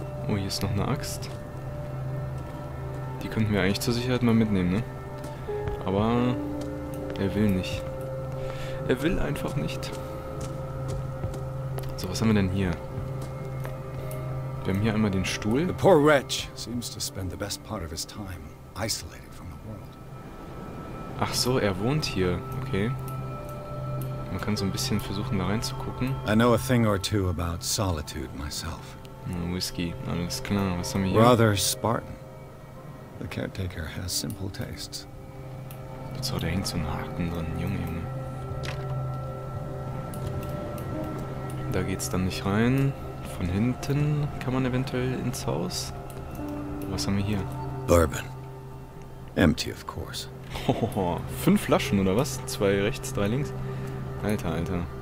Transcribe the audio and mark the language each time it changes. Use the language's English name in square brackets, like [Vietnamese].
[German] Oh, hier ist noch eine Axt. Die könnten wir eigentlich zur Sicherheit mal mitnehmen, ne? Aber er will nicht. Er will einfach nicht. So, was haben wir denn hier? Wir haben hier einmal den Stuhl. [English] The poor wretch seems to spend the best part of his time isolated from the world. [German] Ach so, er wohnt hier. Okay. Man kann so ein bisschen versuchen, da reinzugucken. [English] I know a thing or two about solitude myself. [German] Whisky, alles klar. Was haben wir hier? [English] Rather Spartan. The caretaker has simple tastes. [German] So, der hängt so einen Haken drin. Junge, Junge. Da geht's dann nicht rein. Von hinten kann man eventuell ins Haus. Was haben wir hier? [English] Bourbon. Empty, of course. [German] Hohoho, 5 Flaschen oder was? 2 rechts, 3 links. Alter, Alter.